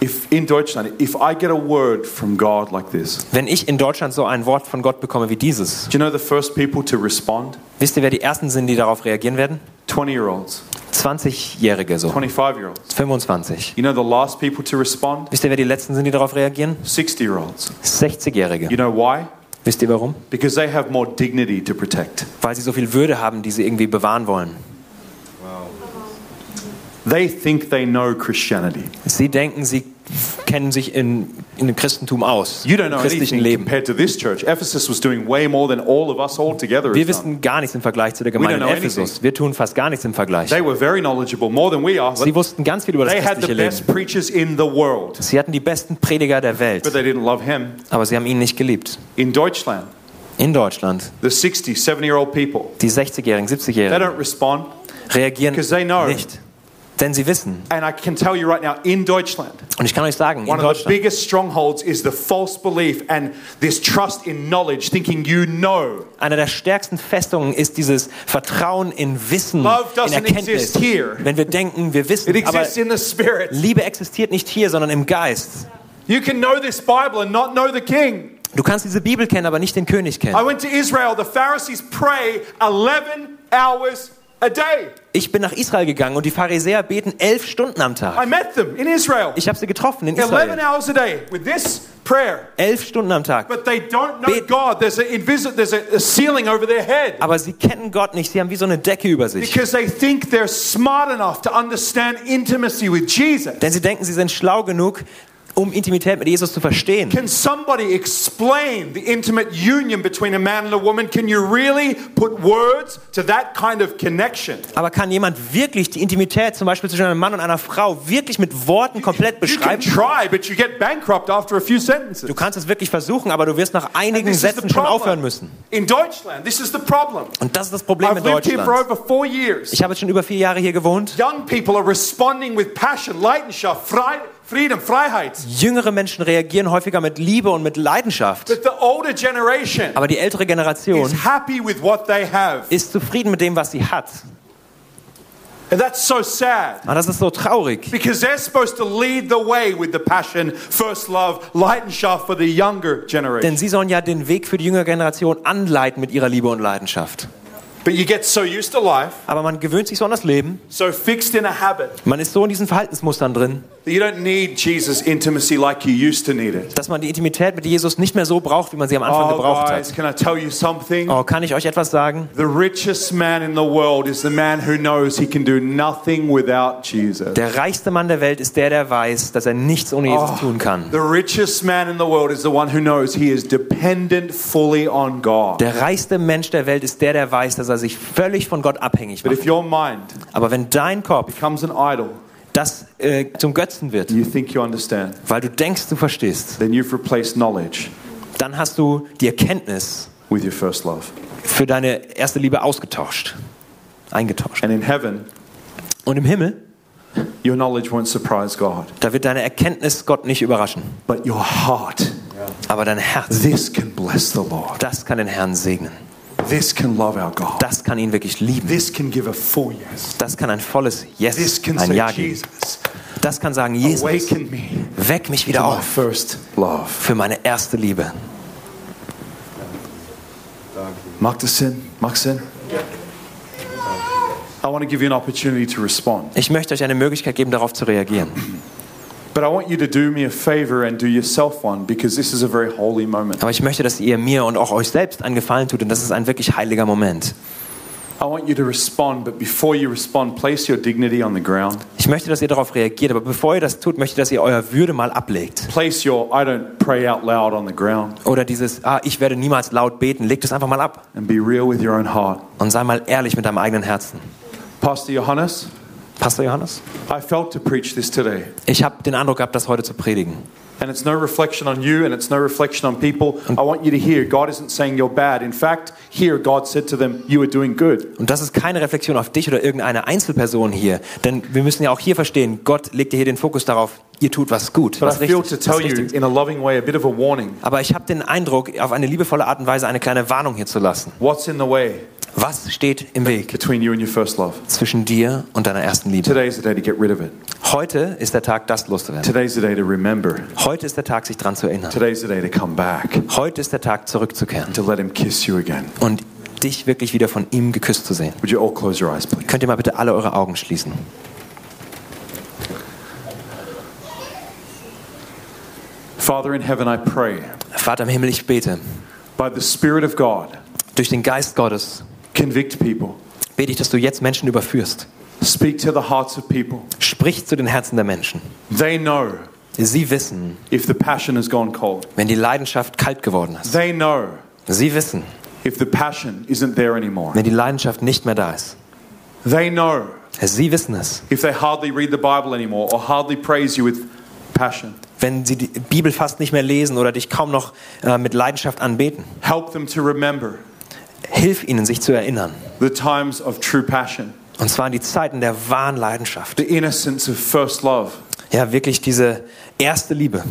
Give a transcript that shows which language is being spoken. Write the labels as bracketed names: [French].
[English] In Deutschland, if I get a word from God like this. [German] Wenn ich in Deutschland so ein Wort von Gott bekomme wie dieses. [English] Do you know the first people to respond? [German] Wisst ihr, wer die ersten sind, die darauf reagieren werden? [English] 20-year-olds. [German] 20-Jährige so. [English] 25-year-olds. [German] 25. [English] You know the last people to respond? [German] Wisst ihr, wer die letzten sind, die darauf reagieren? [English] 60-year-olds. [German] 60-Jährige. [English] You know why? [German] Wisst ihr warum? [English] Because they have more dignity to protect. [German] Weil sie so viel Würde haben, die sie irgendwie bewahren wollen. Wow. [English] They think they know Christianity. [German] Sie denken, sie kennen sich in dem Christentum aus. [English] You don't know anything compared to this church. Ephesus was doing way more than all of us all together. [German] Wir wissen gar nichts im Vergleich zu der Gemeinde in Ephesus. Wir tun fast gar nichts im Vergleich. [English] They were very knowledgeable, more than we are. [German] Sie wussten ganz viel über das christliche Leben. [English] They had the best preachers in the world. [German] Sie hatten die besten Prediger der Welt. [English] But they didn't love him. [German] Aber sie haben ihn nicht geliebt. [English] In Deutschland. The 60, 70-year-old people. [German] Die 60-Jährigen, 70-Jährigen. [English] They don't respond. [German] Reagieren nicht. [English] Because they know. [German] Denn sie wissen. [English] And I can tell you right now, in Deutschland. [German] Und ich kann euch sagen, [English] one of the biggest strongholds is the false belief and this trust in knowledge, thinking you know. [German] Einer der stärksten Festungen ist dieses Vertrauen in Wissen, [English] love [German] in Erkenntnis. [English] Exist here. [German] Wenn wir denken, wir wissen, [English] it exists [German] aber [English] in the spirit. [German] Liebe existiert nicht hier, sondern im Geist. [English] You can know this Bible and not know the King. [German] Du kannst diese Bibel kennen, aber nicht den König kennen. [English] I went to Israel. The Pharisees pray 11 hours a day. [German] Ich bin nach Israel gegangen und die Pharisäer beten 11 Stunden am Tag. [English] I met them in Israel. [German] Ich habe sie getroffen in Israel. [English] 11 hours a day with this prayer. [German] 11 Stunden am Tag. [English] But they don't know God. There's a ceiling over their head. [German] Aber sie kennen Gott nicht. Sie haben wie so eine Decke über sich. [English] Because they think they're smart enough to understand intimacy with Jesus. [German] Denn sie denken, sie sind schlau genug, um Intimität mit Jesus zu verstehen. [English] Can somebody explain the intimate union between a man and a woman? Can you really put words to that kind of connection? [German] Aber kann jemand wirklich die Intimität zum Beispiel zwischen einem Mann und einer Frau wirklich mit Worten komplett beschreiben? [English] You can try, but you get bankrupt after a few sentences. [German] Du kannst es wirklich versuchen, aber du wirst nach einigen Sätzen schon aufhören müssen. [English] In Deutschland, this is the problem. [German] Und das ist das Problem in Deutschland. [English] I've lived here for over 4 years. [German] Ich habe jetzt schon über 4 Jahre hier gewohnt. [English] Young people are responding with passion, [German] Leidenschaft, Freude. Frieden, Freiheit. Jüngere Menschen reagieren häufiger mit Liebe und mit Leidenschaft. [English] But the older generation, [German] aber die ältere Generation [English] is happy with what they have. [German] Ist zufrieden mit dem, was sie hat. [English] And that's so sad. [German] Und das ist so traurig. [English] Because they're supposed to lead the way with the passion, first love, Leidenschaft for the younger generation. [German] Denn sie sollen ja den Weg für die jüngere Generation anleiten mit ihrer Liebe und Leidenschaft. [English] But you get so used to life. [German] Aber man gewöhnt sich so an das Leben. [English] So fixed in a habit. [German] Man ist so in diesen Verhaltensmustern drin. [English] That you don't need Jesus' intimacy like you used to need it. [German] Dass man die Intimität mit Jesus nicht mehr so braucht, wie man sie am Anfang gebraucht hat. [English] Can I tell you something? [German] Oh, kann ich euch etwas sagen? [English] The richest man in the world is the man who knows he can do nothing without Jesus. [German] Der reichste Mann der Welt ist der weiß, dass er nichts ohne Jesus tun kann. [English] The richest man in the world is the one who knows he is dependent fully on God. [German] Der reichste Mensch der Welt ist der weiß, dass er sich völlig von Gott abhängig macht. [English] But if your mind, [German] aber wenn dein Kopf [English] becomes an idol, [German] das zum Götzen wird, [English] you think you understand, [German] weil du denkst, du verstehst, [English] then you've replaced knowledge, [German] dann hast du die Erkenntnis [English] with your first love, [German] für deine erste Liebe ausgetauscht, eingetauscht. [English] And in heaven, [German] und im Himmel, [English] your knowledge won't surprise God, [German] da wird deine Erkenntnis Gott nicht überraschen. [English] But your heart, [German] aber dein Herz, [English] this can bless the Lord. [German] Das kann den Herrn segnen. [English] This can love our God. [German] Das kann ihn wirklich lieben. [English] This can give a full yes. [German] Das kann ein volles Yes, [English] this can [German] ein [English] say [German] Ja [English] Jesus. [German] Das kann sagen, Jesus, [English] awaken me, [German] weck mich wieder [English] to [German] auf [English] my first love, [German] für meine erste Liebe. Macht das Sinn? Macht Sinn? [English] I want to give you an opportunity to respond. [German] Ich möchte euch eine Möglichkeit geben, darauf zu reagieren. [English] But I want you to do me a favor and do yourself one, because this is a very holy moment. [German] Aber ich möchte, dass ihr mir und auch euch selbst einen Gefallen tut, denn das ist ein wirklich heiliger Moment. [English] I want you to respond, but before you respond, place your dignity on the ground. [German] Ich möchte, dass ihr darauf reagiert, aber bevor ihr das tut, möchte ich, dass ihr euer Würde mal ablegt. [English] Place your I don't pray out loud on the ground. [German] Oder dieses ich werde niemals laut beten, legt es einfach mal ab. [English] And be real with your own heart. [German] Und sei mal ehrlich mit deinem eigenen Herzen. [English] Pastor Johannes? I felt to preach this today. [German] Ich habe den Eindruck gehabt, das heute zu predigen. [English] And it's no reflection on you and it's no reflection on people. I want you to hear, God isn't saying you're bad. In fact, here God said to them, you are doing good. [German] Und das ist keine Reflexion auf dich oder irgendeine Einzelperson hier, denn wir müssen ja auch hier verstehen, Gott legt dir hier den Fokus darauf, ihr tut was gut, [English] but [German] was richtig. [English] I feel to tell you in a loving way a bit of a warning. [German] Aber ich habe den Eindruck, auf eine liebevolle Art und Weise eine kleine Warnung hier zu lassen. [English] What's in the way? [German] Was steht im Weg? [English] Between you and your first love. [German] Zwischen dir und deiner ersten Liebe. [English] Today is the day to get rid of it. [German] Heute ist der Tag, das loszuwerden. [English] Today is the day to remember. [German] Heute ist der Tag, sich dran zu erinnern. [English] Today is the day to come back. [German] Heute ist der Tag, zurückzukehren. [English] To let him kiss you again. [German] Und dich wirklich wieder von ihm geküsst zu sehen. [English] Would you all close your eyes, please? [German] Könnt ihr mal bitte alle eure Augen schließen? [English] Father in heaven, I pray. [German] Vater im Himmel, ich bete. [English] By the Spirit of God. [German] Durch den Geist Gottes. [English] Convict people. [German] Bete ich, dass du jetzt Menschen überführst. [English] Speak to the hearts of people. [German] Sprich zu den Herzen der Menschen. [English] They know. [German] Sie wissen. [English] If the passion has gone cold. [German] Wenn die Leidenschaft kalt geworden ist. [English] They know. [German] Sie wissen. [English] If the passion isn't there anymore. [German] Wenn die Leidenschaft nicht mehr da ist. [English] They know. [German] Sie wissen es. [English] If they hardly read the Bible anymore or hardly praise you with passion. [German] Wenn sie die Bibel fast nicht mehr lesen oder dich kaum noch mit Leidenschaft anbeten. [English] Help them to remember. [German] Hilf ihnen, sich zu erinnern. [English] The times of true passion. [German] Und zwar in die Zeiten der wahren Leidenschaft. [English] The innocence of first love. [German] Ja, wirklich diese erste Liebe.